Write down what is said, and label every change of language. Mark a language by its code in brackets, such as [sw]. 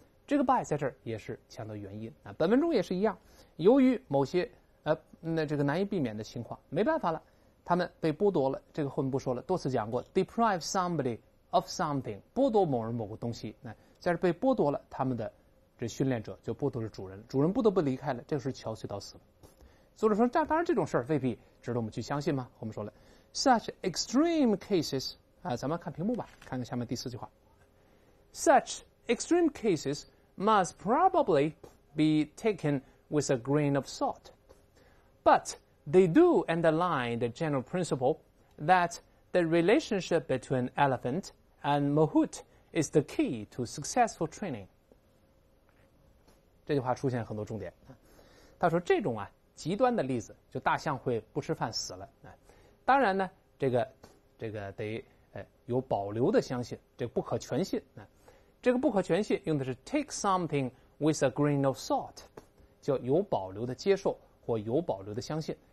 [zh] 这个 by 在这儿也是强调原因啊。本文中也是一样，由于某些那这个难以避免的情况，没办法了，他们被剥夺了。这个后面不说了，多次讲过 ， [en] deprive somebody of something， [zh] 剥夺某人某个东西。那在这被剥夺了他们的这训练者，就剥夺了主人，主人不得不离开了，这个是憔悴到死了。作者说，当然这种事儿未必值得我们去相信吗？我们说了 [en] ，such extreme cases [zh] 啊，咱们看屏幕吧，看看下面第四句话 [en] ，such extreme cases must probably be taken with a grain of salt， but they do underline the general principle that the relationship between elephant and mahout is the key to successful training。 [zh] 这句话出现很多重点，他说这种啊。极端的例子，就大象会不吃饭死了啊！当然呢，这个得有保留的相信，这个、不可全信啊。这个不可全信用的是 [en] take something with a grain of salt， [zh] 就有保留的接受或有保留的相信。